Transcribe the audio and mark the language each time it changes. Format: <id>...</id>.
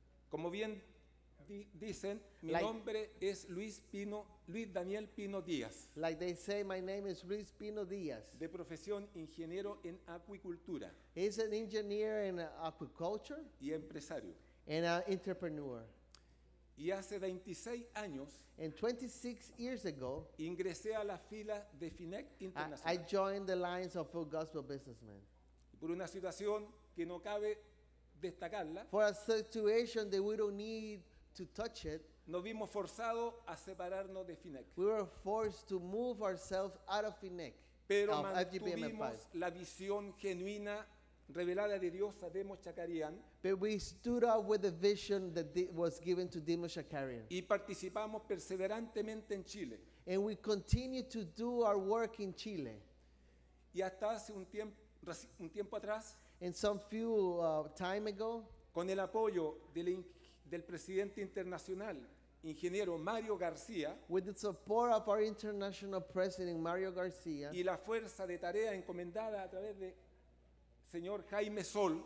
<es>Como bien dicen, mi nombre es Luis Pino, Luis Daniel Pino Díaz.</es> <en>Like they say, my name is Luis Pino Díaz.</en> <es>De profesión, ingeniero en acuicultura.</es> <en>He's an engineer in aquaculture.</en> <es>Y empresario.</es> <en>And an entrepreneur.</en> <es>Y hace 26 años.</es> <en>And 26 years ago.</en> <es>Ingresé a la fila de FINEC Internacional.</es> <en>I joined the lines of Full Gospel Businessmen.</en> <es>Por una situación que no cabe destacarla.</es> <en>For a situation that we don't need to touch it.</en> <es>Nos vimos forzados a separarnos de FINEC.</es> <en>We were forced to move ourselves out of FINEC.</en> <es>Pero mantuvimos la visión genuina revelada de Dios a Demos Chakarian.</es> <en>But we stood up with the vision that was given to Demos Chakarian.</en> <es>Y participamos perseverantemente en Chile.</es> <en>And we continue to do our work in Chile.</en> <es>Y hasta hace un tiempo atrás,</es> <en>and some few time ago,</en> <es>con el apoyo del presidente internacional, ingeniero Mario García,</es> <en>with the support of our international president Mario García,</en> <es>y la fuerza de tarea encomendada a través de señor Jaime Sol,</es>